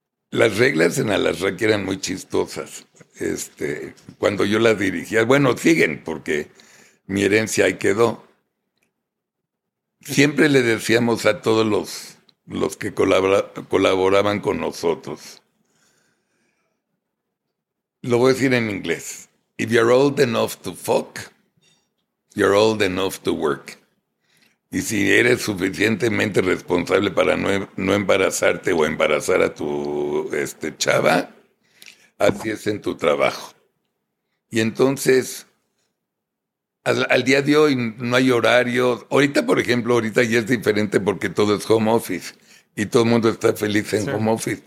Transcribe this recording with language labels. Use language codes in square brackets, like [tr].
[es] Las reglas en Alazraki eran muy chistosas. Cuando yo las dirigía. Bueno, siguen, porque mi herencia ahí quedó. Siempre le decíamos a todos los que colaboraban con nosotros. Lo voy a decir en inglés. [en] If you're old enough to fuck, you're old enough to work. [es] Y si eres suficientemente responsable para no embarazarte o embarazar a tu chava, así es en tu trabajo. Y entonces, al día de hoy no hay horarios. Ahorita, por ejemplo, ya es diferente porque todo es home office y todo el mundo está feliz en home office.